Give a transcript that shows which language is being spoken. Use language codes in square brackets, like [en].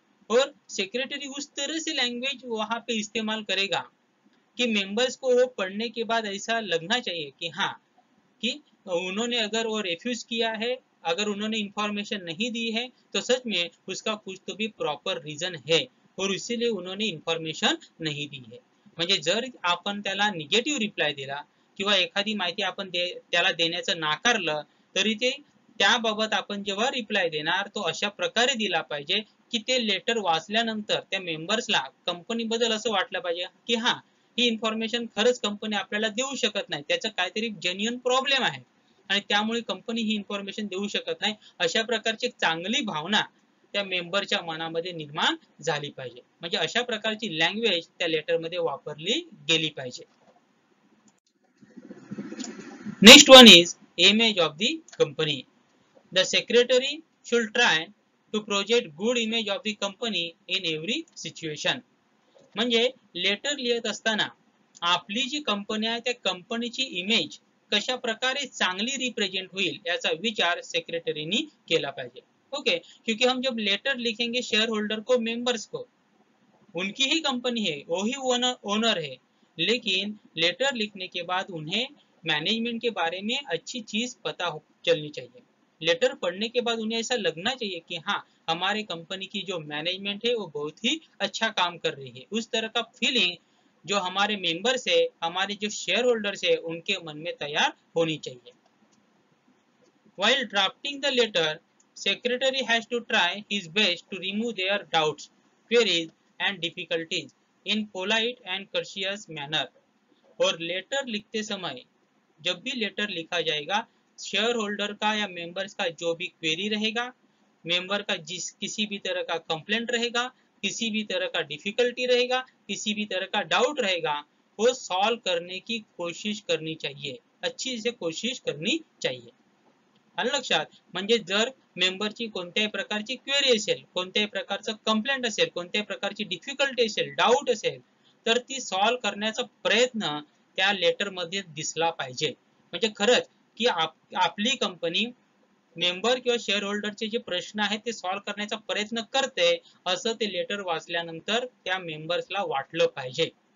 [hi] और सेक्रेटरी उस तरह से लैंग्वेज वहां पे इस्तेमाल करेगा कि मेंबर्स को वो पढ़ने के बाद ऐसा लगना चाहिए कि हाँ, कि उन्होंने अगर वो रिफ्यूज किया है, अगर उन्होंने इंफॉर्मेशन नहीं दी है तो सच में उसका कुछ तो भी प्रॉपर रीजन है और इसीलिए उन्होंने इन्फॉर्मेशन नहीं दी है। [mr] म्हणजे जर आपण त्याला निगेटिव रिप्लाय दिला किंवा एखादी माहिती आपण त्याला देण्याचं नाकारलं, तरी ते त्याबाबत आपण जेव्हा रिप्लाय देणार तो अशा प्रकारे दिला पाहिजे की ते लेटर वाचल्यानंतर त्या मेंबर्सला कंपनीबद्दल असं वाटलं पाहिजे की हा, ही इन्फॉर्मेशन खरंच कंपनी आपल्याला देऊ शकत नाही, त्याचं काहीतरी जेन्युइन प्रॉब्लेम आहे आणि त्यामुळे कंपनी ही इन्फॉर्मेशन देऊ शकत नाही, अशा प्रकारची चांगली भावना त्या मेंबरच्या मनामध्ये निर्माण झाली पाहिजे। म्हणजे अशा प्रकारची लँग्वेज त्या लेटरमध्ये वापरली गेली पाहिजे। [en] Next one is image of the company. The secretary should try to project good image of the company in every situation. [mr] म्हणजे लेटर लिहित असताना आपली जी कंपनी आहे त्या कंपनीची इमेज कशा प्रकारे चांगली रिप्रेझेंट होईल याचा विचार सेक्रेटरीनी केला पाहिजे। [hi] ओके, क्योंकि हम जब लेटर लिखेंगे शेयर होल्डर को, मेंबर्स को, उनकी ही कंपनी है, वो ही ओनर है, लेकिन लेटर लिखने के बाद उन्हें मैनेजमेंट के बारे में अच्छी चीज पता चलनी चाहिए। लेटर पढ़ने के बाद उन्हें ऐसा लगना चाहिए कि हाँ, हमारे कंपनी की जो मैनेजमेंट है वो बहुत ही अच्छा काम कर रही है। उस तरह का फीलिंग जो हमारे मेंबर्स है, हमारे जो शेयर होल्डर्स है, उनके मन में तैयार होनी चाहिए। [en] While drafting the letter secretary has to try his best to remove their doubts, queries and difficulties in polite and courteous manner. [hi] और लेटर लिखते समय जब भी लेटर लिखा जाएगा, शेयर होल्डर का या मेंबर्स का जो भी क्वेरी रहेगा, मेंबर का जिस किसी भी तरह का कंप्लेंट रहेगा, किसी भी तरह का डिफिकल्टी रहेगा, किसी भी तरह का डाउट रहेगा, वो सॉल्व करने की कोशिश करनी चाहिए, अच्छी से कोशिश करनी चाहिए। [mr] अलक्षात म्हणजे जर मेंबरची कोणत्याही प्रकारची क्वेरी असेल, कोणत्याही प्रकारचं कंप्लेंट असेल, कोणत्याही प्रकारची डिफिकल्टी असेल, डाउट असेल, तर ती सॉल्व करण्याचा प्रयत्न त्या लेटरमध्ये दिसला पाहिजे। म्हणजे खरंच की आपली कंपनी मेंबर किंवा शेअर होल्डरचे जे प्रश्न आहेत ते सॉल्व करण्याचा प्रयत्न करते असं ते लेटर वाचल्यानंतर त्या मेंबर्सला वाटलं पाहिजे।